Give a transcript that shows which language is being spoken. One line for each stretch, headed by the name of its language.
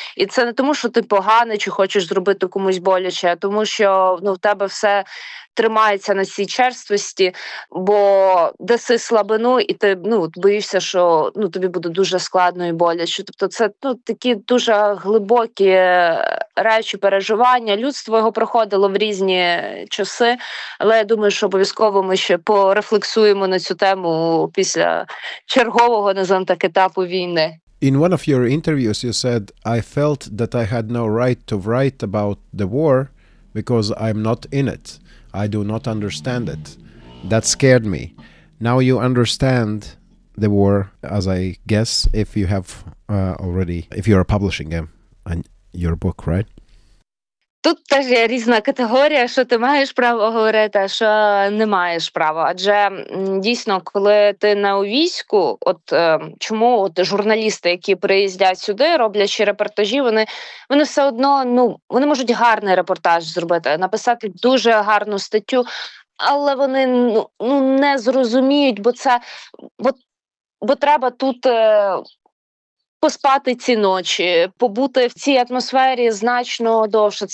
Ukrainian: І це не тому, що ти поганий чи хочеш зробити комусь боляче, а тому, що, ну, в тебе все тримається на цій черствості, бо даси слабину, і ти, ну, боїшся, що, ну, тобі буде дуже складно і боляче. Тобто це, ну, такі дуже глибокі речі, переживання. Людство його проходило в різні часи, але я думаю, що обов'язково ми ще порефлексуємо на цю тему після чергового, назовемо так, етапу війни.
English: In one of your interviews you said, I felt that I had no right to write about the war because I'm not in it. I do not understand it. That scared me. Now you understand the war, as I guess, if you have already, if you're publishing your book, right?
Ukrainian: Тут теж є різна категорія, що ти маєш право говорити, а що не маєш права. Адже дійсно, коли ти на війську, от чому от журналісти, які приїздять сюди, роблячи репортажі, вони все одно, ну, вони можуть гарний репортаж зробити, написати дуже гарну статтю, але вони ну не зрозуміють, бо це бо треба тут поспати ці ночі, побути в цій атмосфері значно довше.